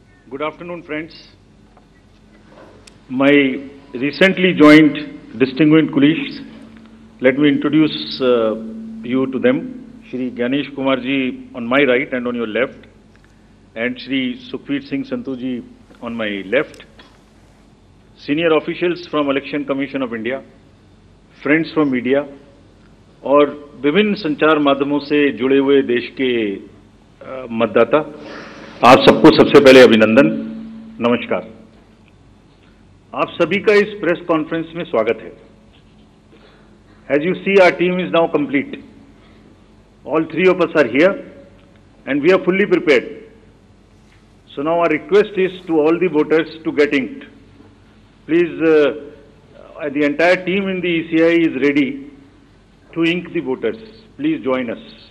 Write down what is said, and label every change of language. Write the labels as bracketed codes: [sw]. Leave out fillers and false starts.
[en] Good afternoon, friends. My recently joined distinguished colleagues, let me introduce you to them. Shri Ganesh Kumar ji on my right and on your left, and Shri Sukhbir Singh Santu ji on my left. Senior officials from Election Commission of India, friends from media, [hi] और विभिन्न संचार माध्यमों से जुड़े हुए देश के मतदाता, आप सबको सबसे पहले अभिनंदन, नमस्कार। आप सभी का इस प्रेस कॉन्फ्रेंस में स्वागत है। [en] As you see, our team is now complete. All three of us are here, and we are fully prepared. So now our request is to all the voters to get inked. Please, the entire team in the ECI is ready to ink the voters. Please join us.